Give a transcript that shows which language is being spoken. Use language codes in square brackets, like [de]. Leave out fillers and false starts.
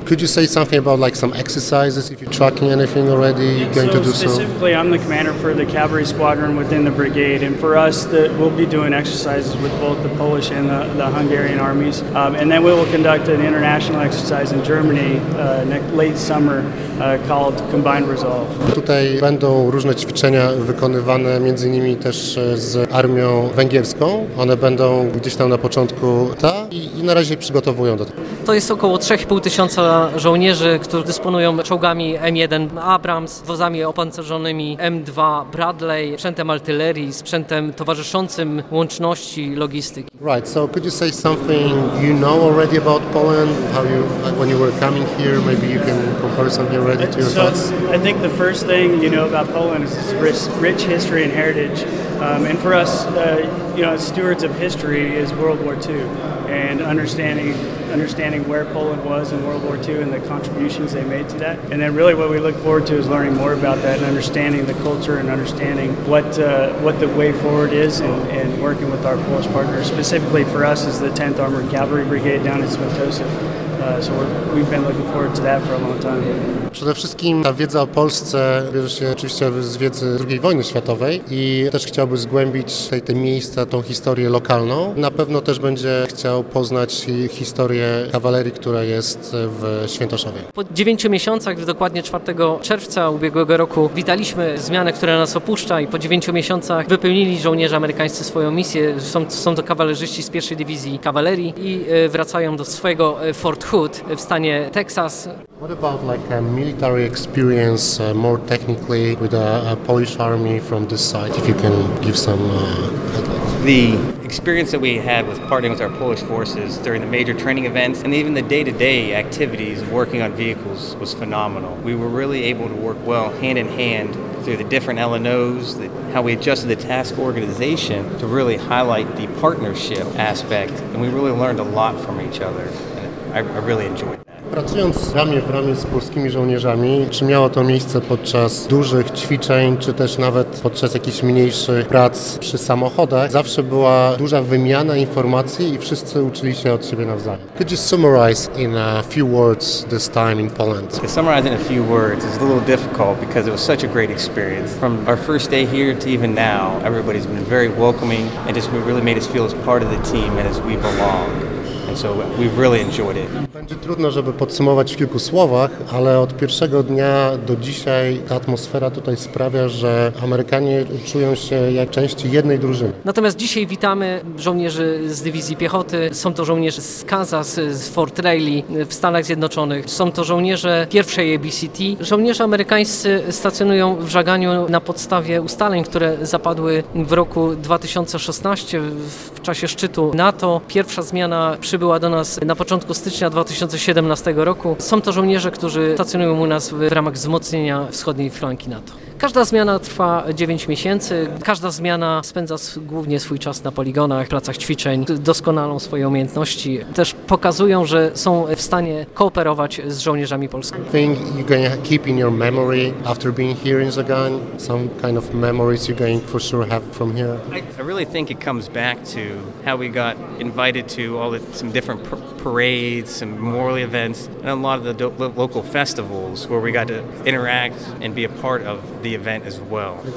[en] Could you say something about like some exercises if you're tracking anything already going to do so? Specifically, I'm the commander for the cavalry squadron within the brigade, and for us, we'll be doing exercises with both the Polish and the Hungarian armies, and then we will conduct an international exercise in Germany late summer called Combined Resolve. [pl] Tutaj będą różne ćwiczenia wykonywane, między innymi też z armią węgierską. One będą gdzieś tam na początku i na razie przygotowują do tego. To jest około 3,5 tysiąca żołnierzy, którzy dysponują czołgami M1 Abrams, wozami opancerzonymi M2 Bradley, sprzętem artylerii, sprzętem towarzyszącym łączności logistyki. [en] Right, so could you say something you know already about Poland? How you, like when you were coming here, maybe you can compare something already to your thoughts? I think the first thing you know about Poland is its rich history and heritage. And for us, you know, stewards of history is World War II. And understanding where Poland was in World War II and the contributions they made to that. And then really what we look forward to is learning more about that and understanding the culture and understanding what the way forward is and working with our Polish partners. Specifically for us is the 10th Armored Cavalry Brigade down in Świętosław. We've been looking forward to that for a long time. [pl] Przede wszystkim ta wiedza o Polsce bierze się oczywiście z wiedzy II wojny światowej i też chciałby zgłębić tutaj te miejsca, tą historię lokalną. Na pewno też będzie chciał poznać historię kawalerii, która jest w Świętoszowie. Po 9 miesiącach, dokładnie 4 czerwca ubiegłego roku, witaliśmy zmianę, która nas opuszcza i po 9 miesiącach wypełnili żołnierze amerykańscy swoją misję. Są to kawalerzyści z 1. Dywizji Kawalerii i wracają do swojego Fort Hood w stanie Texas. [en] What about like a military experience, more technically, with a Polish army from this side? If you can give some headlines. The experience that we had with partnering with our Polish forces during the major training events and even the day-to-day activities working on vehicles was phenomenal. We were really able to work well hand in hand through the different LNOs, how we adjusted the task organization to really highlight the partnership aspect, and we really learned a lot from each other. I really enjoyed it. [pl] Pracując ramię w ramię z polskimi żołnierzami, czy miało to miejsce podczas dużych ćwiczeń, czy też nawet podczas jakichś mniejszych prac przy samochodach, zawsze była duża wymiana informacji i wszyscy uczyli się od siebie nawzajem. [en] Could you summarize in a few words this time in Poland? To summarize in a few words is a little difficult because it was such a great experience. From our first day here to even now, everybody's been very welcoming and just really made us feel as part of the team and as we belong. So we've really enjoyed it. [pl] Będzie trudno, żeby podsumować w kilku słowach, ale od pierwszego dnia do dzisiaj ta atmosfera tutaj sprawia, że Amerykanie czują się jak części jednej drużyny. Natomiast dzisiaj witamy żołnierzy z Dywizji Piechoty. Są to żołnierze z Kansas, z Fort Riley w Stanach Zjednoczonych. Są to żołnierze pierwszej ABCT. Żołnierze amerykańscy stacjonują w Żaganiu na podstawie ustaleń, które zapadły w roku 2016 w czasie szczytu NATO. Pierwsza zmiana przybyła do nas na początku stycznia 2017 roku. Są to żołnierze, którzy stacjonują u nas w ramach wzmocnienia wschodniej flanki NATO. Każda zmiana trwa 9 miesięcy. Każda zmiana spędza głównie swój czas na poligonach, pracach ćwiczeń, doskonalą swoje umiejętności. Też pokazują, że są w stanie kooperować z żołnierzami polskimi. [en] Think you can keep in your memory after being here in Zagan, some kind of memories you going for sure have from here. I really think it comes back to how we got invited to all the some different parades, some memorial events, and a lot of the local festivals where we got to interact and be a part of the event as well.